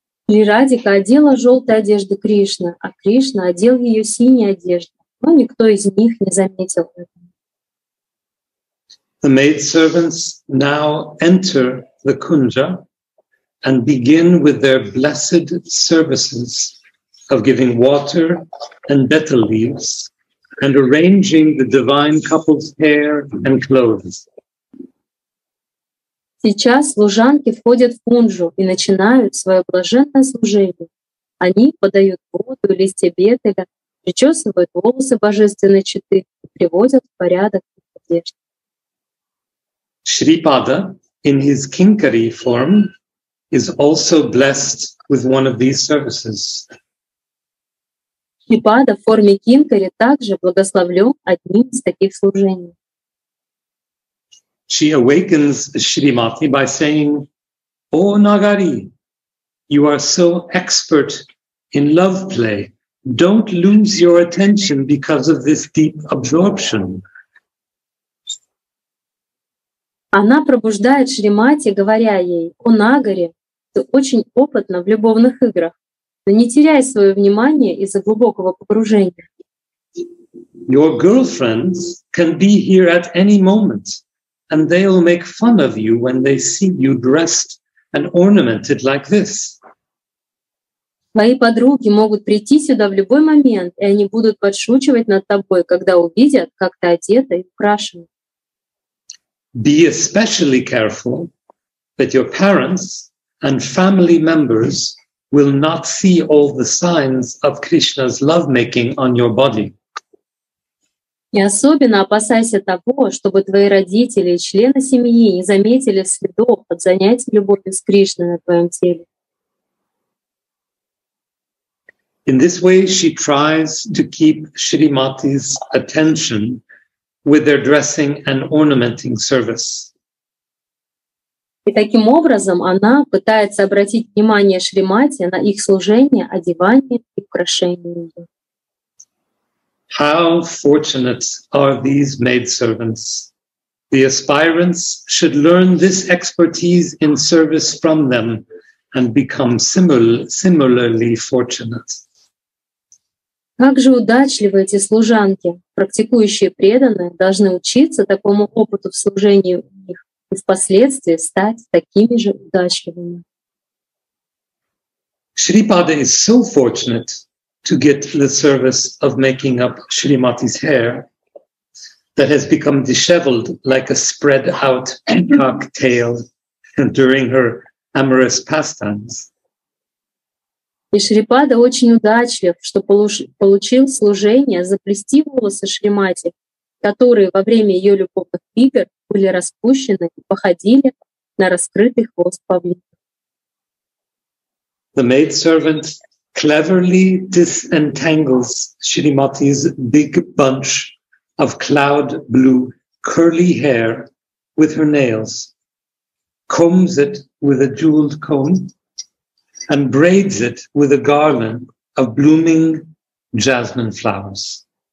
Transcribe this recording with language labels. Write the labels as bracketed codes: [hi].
[ru] Шри Радика одела желтую одежду Кришны, а Кришна одел ее синей одеждой, но никто из них не заметил этого. [en] The maidservants now enter the kunja and begin with their blessed services of giving water and betel leaves and arranging the divine couple's hair and clothes. [ru] Сейчас служанки входят в кунджу и начинают свое блаженное служение. Они подают воду, листья бетеля, причесывают волосы божественной четы и приводят в порядок одежду. [en] Шрипада, in his kinkari form, is also blessed with one of these services. [ru] Шрипада в форме кинкари также благословлен одним из таких служений. [en] She awakens Shrimati by saying, "O Nagari, you are so expert in love play. Don't lose your attention because of this deep absorption." [ru] Она пробуждает Шримати, говоря ей: "О Нагари, ты очень опытна в любовных играх, но не теряй свое внимание из-за глубокого погружения." [en] Your girlfriends can be here at any moment. And they'll make fun of you when they see you dressed and ornamented like this. [ru] Мои подруги могут прийти сюда в любой момент, и они будут подшучивать над тобой, когда увидят, как ты одета и украшена. [en] Be especially careful that your parents and family members will not see all the signs of Krishna's lovemaking on your body. [ru] И особенно опасайся того, чтобы твои родители и члены семьи не заметили следов от занятий любовью с Кришной на твоем теле. [en] In this way she tries to keep Shrimati's attention with their dressing and ornamenting service. [ru] И таким образом она пытается обратить внимание Шримати на их служение, одевание и украшение ее. [en] How fortunate are these maidservants! The aspirants should learn this expertise in service from them and become similarly fortunate. [ru] Как же удачливы эти служанки, практикующие преданные, должны учиться такому опыту в служении у них и впоследствии стать такими же удачливыми. [en] Шрипада is so fortunate to get the service of making up Shrimati's hair that has become disheveled like a spread out peacock tail during her amorous pastimes. [ru] И Шрипада очень удачлив, что получил служение заплести волосы Шримати, которые во время ее любовных игр были распущены и походили на раскрытый хвост павлина. [en] The maidservant cleverly disentangles Shrimati's big bunch of cloud blue curly hair with her nails, combs it with a jeweled comb, and braids it with a garland of blooming jasmine flowers.